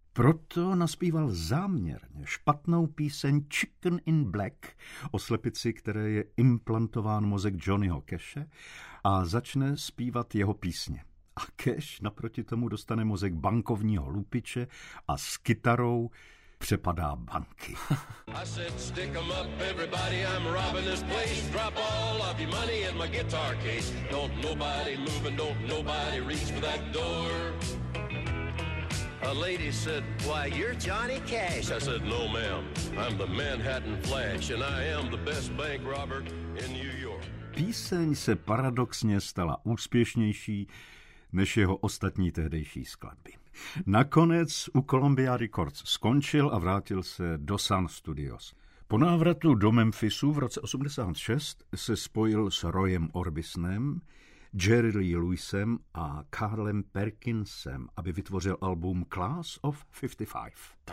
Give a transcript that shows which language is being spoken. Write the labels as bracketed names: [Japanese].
[Czech] Proto naspíval záměrně špatnou píseň Chicken in Black o slepici, které je implantován mozek Johnnyho Cashe, a začne zpívat jeho písně. A Cash naproti tomu dostane mozek bankovního lupiče a s kytarou přepadá banky. [English] I said stick 'em up everybody, I'm robbing this place. Drop all of your money in my guitar case. Don't nobody move and don't nobody reach for that door. A lady said, why, you're Johnny Cash. I said, no ma'am, I'm the Manhattan Flash and I am the best bank robber in New York. [Czech] Píseň se paradoxně stala úspěšnější než jeho ostatní tehdejší skladby. Nakonec u Columbia Records skončil a vrátil se do Sun Studios. Po návratu do Memphisu v roce 86 se spojil s Royem Orbisonem, Jerry Lee Lewisem a Carlem Perkinsem, aby vytvořil album Class of 55.